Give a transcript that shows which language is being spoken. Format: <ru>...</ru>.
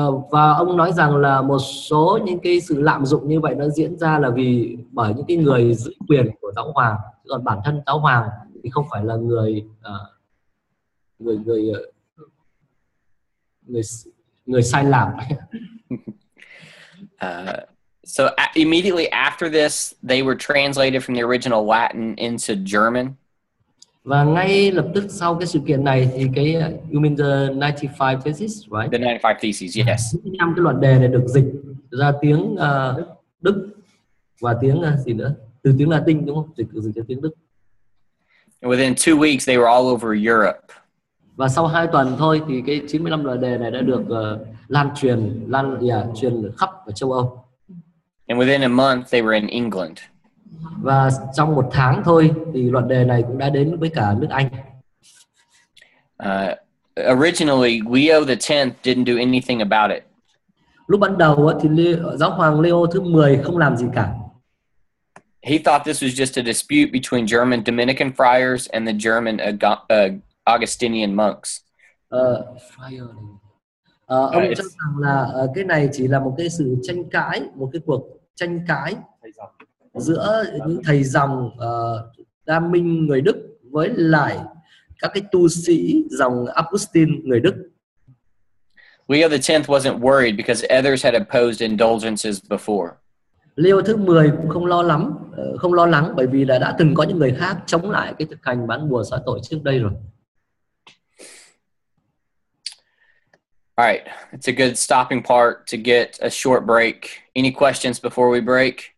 <vi>Và ông nói rằng là một số những cái sự lạm dụng như vậy nó diễn ra là vì bởi những cái người giữ quyền của giáo hoàng, còn bản thân giáo hoàng thì không phải là người sai lầm.</vi> <en>So immediately after this, they were translated from the original Latin into German.</en> <vi>Và ngay lập tức sau cái sự kiện này thì cái</vi> <en>you mean the 95 theses, right? The 95 theses, yes.</en> <vi>95 cái luận đề này được dịch ra tiếng Đức và tiếng gì nữa? Từ tiếng Latin đúng không? Dịch ra tiếng Đức.</vi> <en>And within 2 weeks, they were all over Europe.</en> <vi>Và sau 2 tuần thôi thì cái 95 luận đề này đã được truyền khắp ở châu Âu.</vi> <en>And within a month, they were in England.</en> <vi>Và trong một tháng thôi, thì luận đề này cũng đã đến với cả nước Anh.</vi> <en>Originally, Leo the Tenth didn't do anything about it.</en> <vi>Lúc ban đầu thì giáo hoàng Leo thứ 10 không làm gì cả.</vi> <en>He thought this was just a dispute between German Dominican friars and the German Augustinian monks.</en> <vi>Ông cho rằng là cái này chỉ là một cái sự tranh cãi, một cái cuộc tranh cãi giữa những thầy dòng Đa Minh người Đức với lại các cái tu sĩ dòng Augustine người Đức.</vi> <en>Leo the Tenth wasn't worried because others had opposed indulgences before.</en> <vi>Leo thứ 10 cũng không lo lắng bởi vì là đã từng có những người khác chống lại cái thực hành bán bùa xá tội trước đây rồi.</vi> <en>All right, it's a good stopping part to get a short break. Any questions before we break?</en>